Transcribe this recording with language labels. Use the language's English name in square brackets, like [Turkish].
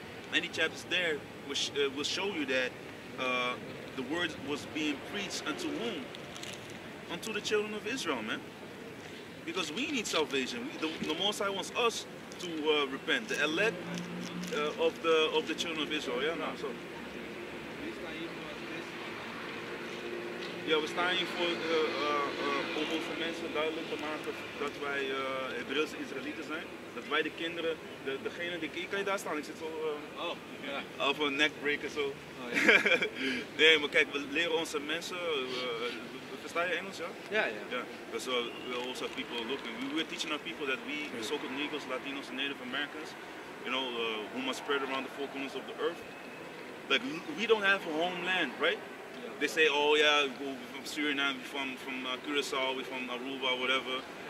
[English] Many chapters there will show you that the word was being preached unto whom? Unto the children of Israel, man. Because we need salvation. The Most High wants us to repent. The elect of the children of Israel. Yeah, no. So. [Dutch] Ja, we staan hier voor onze mensen duidelijk te maken dat wij Hebreeuwse Israëlieten zijn. Dat wij de kinderen, degene die... Kan je daar staan? Ik zit zo... Oh, ja. Of een neckbreaker zo. Oh, ja. Nee, maar kijk, we leren onze mensen... Versta je Engels, ja? Ja, ja. [English] Because we also people looking. We're teaching our people that we so-called Negroes, Latinos and Native Americans, you know, who must spread around the four corners of the earth. Like, we don't have a homeland, right? They say, oh yeah, we're from Suriname, we're from Curaçao, we're from Aruba, whatever.